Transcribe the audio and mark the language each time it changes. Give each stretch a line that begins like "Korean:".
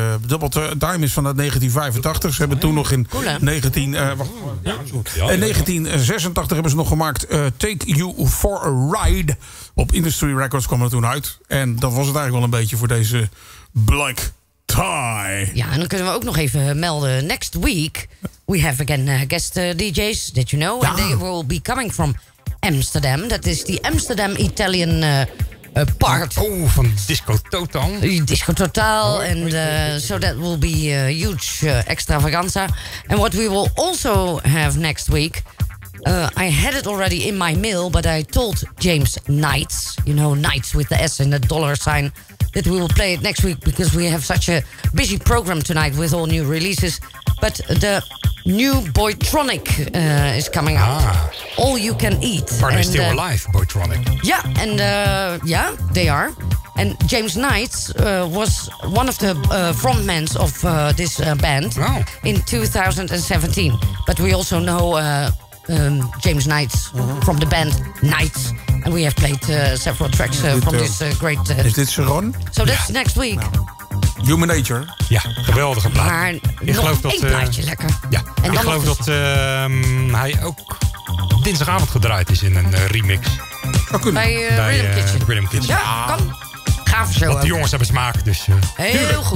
Dutch: Double Time is vanuit 1985. Ze hebben toen nog in 1986 hebben ze nog gemaakt Take You For A Ride. Op Industry Records kwam er toen uit. En dat was het eigenlijk wel een beetje voor deze Black Tie. Ja, en dan kunnen we ook nog even melden.
English: Next week we have again guest DJs that you know. Ja. And they will be coming from Amsterdam.
Dutch: Dat is de Amsterdam Italian... part. Oh, van Disco Total.
English: Disco Total. So that will be a huge extravaganza. And what we will also have next week... I had it already in my mail, but I told James Knights... You know, Knights with the S and the dollar sign... that we will play it next week because we have such a busy program tonight... with all new releases. But the new Boytronic is coming out. All You Can Eat. Are they still alive, Boytronic? Yeah, and yeah, they are. And James Knights was one of the frontmen of this band in 2017. But we also know James Knights from the band Knights... And we have played several tracks from this great...
Dutch: Is dit Sharon?
English: So that's next week. No. Human Nature.
Dutch: Ja, geweldige plaat. Maar nog één plaatje lekker. Ja, en ik geloof dat hij ook dinsdagavond gedraaid is in een remix. Dat kunnen. Bij Rhythm Kitchen. Ja, kan. Gaaf zo. Want die jongens hebben smaak, dus... Heel tuurlijk. Goed.